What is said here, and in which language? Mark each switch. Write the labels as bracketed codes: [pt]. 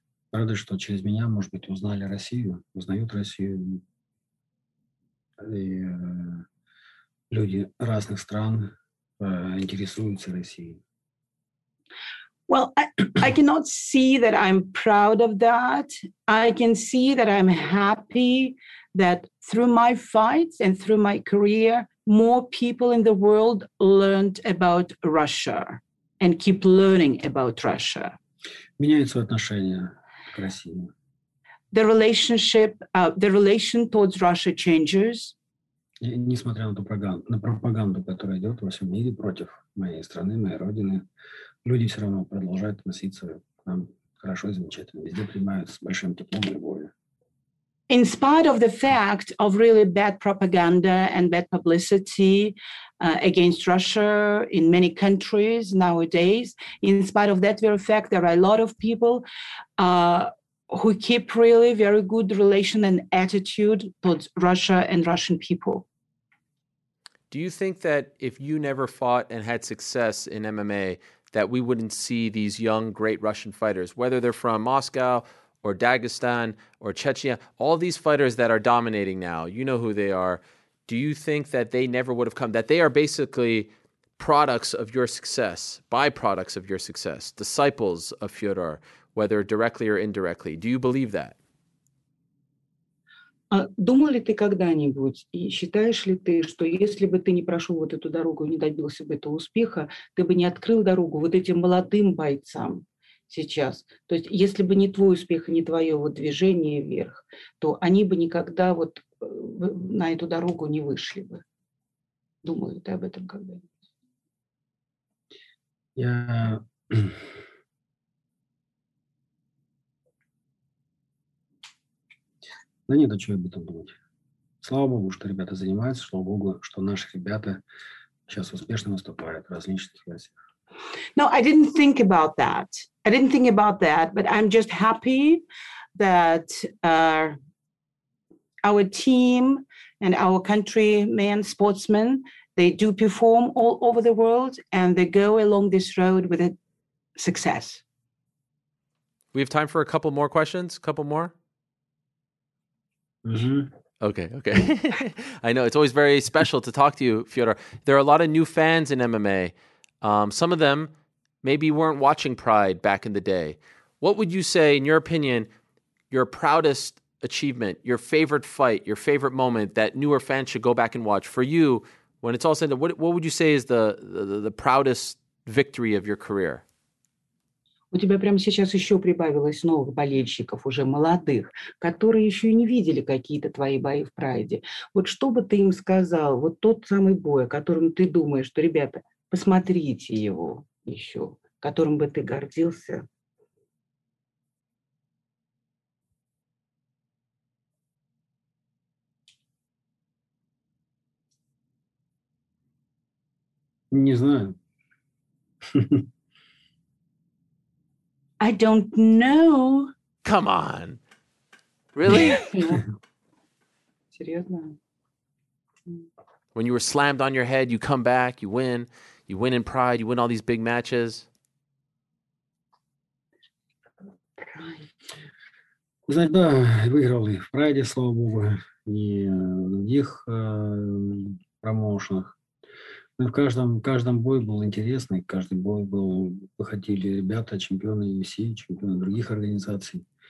[ru] Рады, что через меня, может быть, узнали Россию, узнают Россию. И люди разных стран интересуются Россией. [en] Well, I cannot see that I'm proud of that. I can see that I'm happy that through my fights and through my career, more people in the world learned about Russia and keep learning about Russia. [ru] Меняются отношения. [en] The relationship, the relation towards Russia changes. [ru] Несмотря на пропаганду, которая идет во всем мире против моей страны, моей родины, люди все равно продолжают относиться к нам хорошо и замечательно. Везде принимают с большим теплом и любовью. [en] In spite of the fact of really bad propaganda and bad publicity against Russia in many countries nowadays, in spite of that very fact, there are a lot of people who keep really very good relation and attitude towards Russia and Russian people. Do you think that if you never fought and had success in MMA, that we wouldn't see these young, great Russian fighters, whether they're from Moscow or Dagestan, or Chechnya, all these fighters that are dominating now, you know who they are. Do you think that they never would have come, that they are basically products of your success, byproducts of your success, disciples of Fyodor, whether directly or indirectly? Do you believe that? [ru] Думал ли ты когда-нибудь, и считаешь ли ты, что если бы ты не прошел вот эту дорогу и не добился бы этого успеха, ты бы не открыл дорогу вот этим молодым бойцам? Сейчас. То есть, если бы не твой успех и не твое вот движение вверх, то они бы никогда вот на эту дорогу не вышли бы. Думаю, ты об этом когда-нибудь. Да нет, о чем об этом думать. Слава Богу, что ребята занимаются, слава Богу, что наши ребята сейчас успешно выступают в различных классах. [en] No, I didn't think about that. I didn't think about that, but I'm just happy that our team and our countrymen, sportsmen, they do perform all over the world and they go along this road with a success. We have time for a couple more questions, a couple more? Mm-hmm. Okay, okay. I know, it's always very special to talk to you, Fyodor. There are a lot of new fans in MMA. Some of them maybe weren't watching Pride back in the day. What would you say, in your opinion, your proudest achievement, your favorite fight, your favorite moment that newer fans should go back and watch? For you, when it's all said, what would you say is the proudest victory of your career? [ru] У тебя прямо сейчас еще прибавилось новых болельщиков, уже молодых, которые еще и не видели какие-то твои бои в Прайде. Вот что бы ты им сказал, вот тот самый бой, о котором ты думаешь, что, ребята, посмотрите его еще, которым бы ты гордился. Не знаю. [en] I don't know. Come on. Really? [ru] Серьезно? [en] When you were slammed on your head, you come back, you win. You win in pride, you win all these big matches. [ru] Знаете, да, выиграл их в прайде, слава богу, и в других промоушенах. Но в каждом бой был интересный, каждый бой был, выходили ребята, чемпионы UFC, чемпионы других организаций.